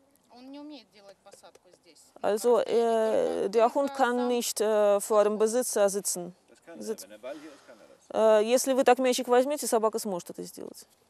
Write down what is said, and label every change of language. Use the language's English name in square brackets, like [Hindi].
[Russian] Он не умеет делать посадку здесь. [German] Also, der Hund kann nicht vor dem Besitzer sitzen. [Russian] Если вы так мячик возьмете, собака сможет это сделать.